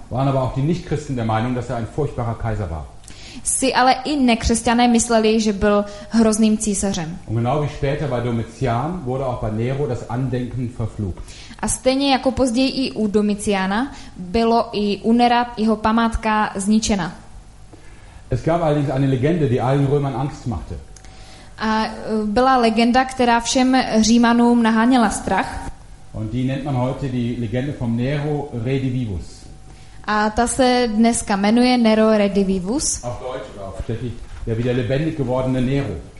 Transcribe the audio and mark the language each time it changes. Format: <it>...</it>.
<de>waren aber auch die Nichtchristen der Meinung, dass er ein furchtbarer Kaiser war.</de> <cs>Si ale i nekřesťané mysleli, že byl hrozným císařem.</cs> <de>Und genau wie später bei Domitian wurde auch bei Nero das Andenken verflucht.</de> <cs>A stejně jako později i u Domitiana bylo i u Nera jeho památka zničena.</cs> <de>Es gab allerdings eine Legende, die allen Römern Angst machte.</de> <cs>A byla legenda, která všem Římanům naháněla strach.</cs> <de>Und die nennt man heute die Legende vom Nero Redivivus.</de> <cs>A ta se dneska jmenuje Nero Redivivus.</cs> <de>Auf Deutsch oder auf Tschechisch, der wieder lebendig gewordene Nero.</de>